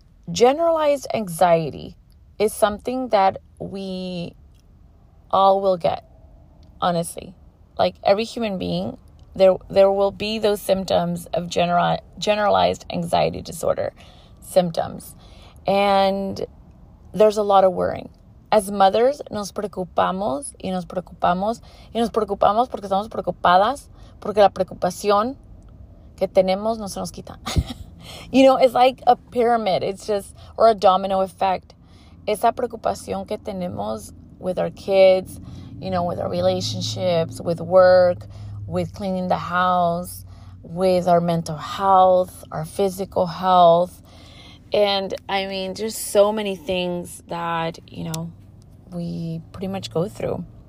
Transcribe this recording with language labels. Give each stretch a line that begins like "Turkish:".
English: Generalized anxiety is something that we all will get, honestly. Like every human being, there will be those symptoms of generalized anxiety disorder symptoms. And there's a lot of worrying. As mothers,
Spanish: nos preocupamos porque estamos preocupadas, porque la preocupación que tenemos no se nos quita.
English: You know, it's like a pyramid. It's just, or a domino effect.
Spanish: Esa preocupación que tenemos
English: with our kids, you know, with our relationships, with work, with cleaning the house, with our mental health, our physical health. And I mean, there's so many things that, you know, we pretty much go through.